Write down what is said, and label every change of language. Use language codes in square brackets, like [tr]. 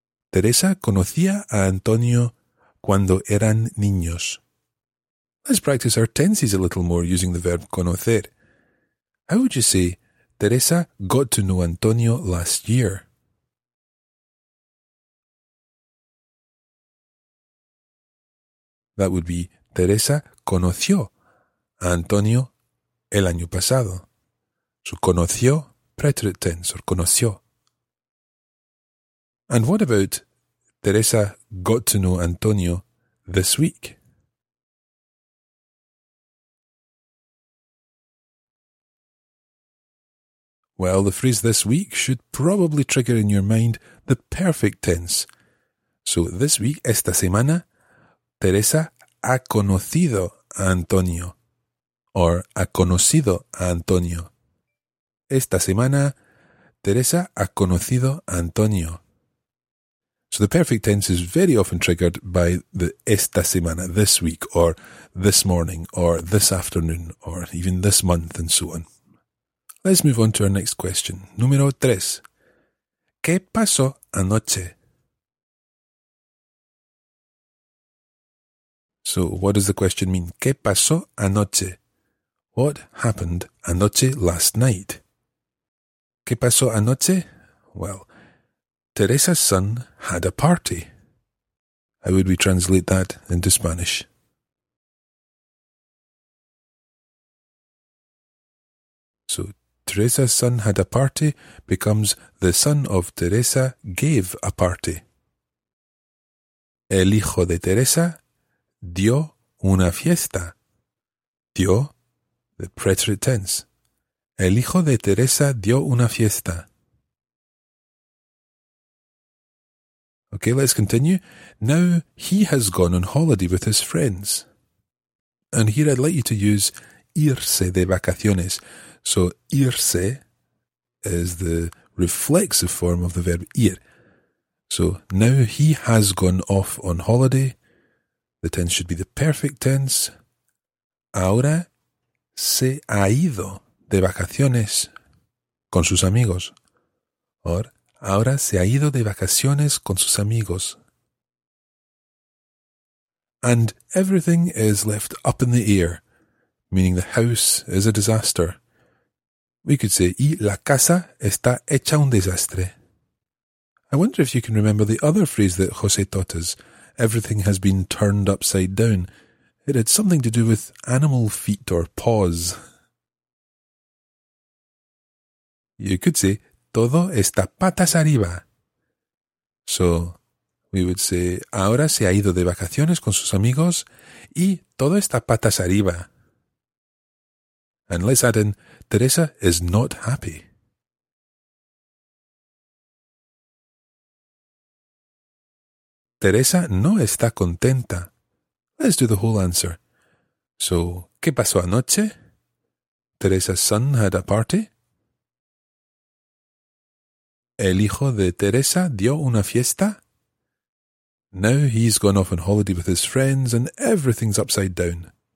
[es] Teresa conocía a Antonio cuando eran niños. [en] Let's practice our tenses a little more using the verb conocer. How would you say Teresa got to know Antonio last year? That would be [es] Teresa conoció a Antonio el año pasado. [en] So conoció, preterite tense, or conoció. And what about Teresa got to know Antonio this week? Well, the phrase this week should probably trigger in your mind the perfect tense. So this week, [es] esta semana, Teresa ha conocido a Antonio, or ha conocido a Antonio. Esta semana, Teresa ha conocido a Antonio. [en] So the perfect tense is very often triggered by the [es] esta semana, [en] this week, or this morning, or this afternoon, or even this month, and so on. Let's move on to our next question. [es] Número 3. ¿Qué pasó anoche? [en] So, what does the question mean? [es] ¿Qué pasó anoche? [en] What happened anoche last night? [es] ¿Qué pasó anoche? [en] Well, Teresa's son had a party. How would we translate that into Spanish? So, Teresa's son had a party becomes the son of Teresa gave a party. [es] El hijo de Teresa dio una fiesta. Dio, [en] the preterite tense. [es] El hijo de Teresa dio una fiesta. [en] Okay, let's continue. Now he has gone on holiday with his friends. And here I'd like you to use [es] irse de vacaciones. [en] So, irse is the reflexive form of the verb ir. So, now he has gone off on holiday. The tense should be the perfect tense. [es] Ahora se ha ido de vacaciones con sus amigos. Or, ahora se ha ido de vacaciones con sus amigos. [en] And everything is left up in the air, meaning the house is a disaster. We could say, [es] y la casa está hecha un desastre. [en] I wonder if you can remember the other phrase that José taught us. Everything has been turned upside down. It had something to do with animal feet or paws. You could say, [es] todo está patas arriba. [en] So, we would say, [es] ahora se ha ido de vacaciones con sus amigos y todo está patas arriba. [en] And let's add in, Teresa is not happy. [es] Teresa no está contenta. [en] Let's do the whole answer. So, [es] ¿qué pasó anoche? [en] Teresa's son had a party. [es] El hijo de Teresa dio una fiesta. [en] Now he's gone off on holiday with his friends and everything's upside down.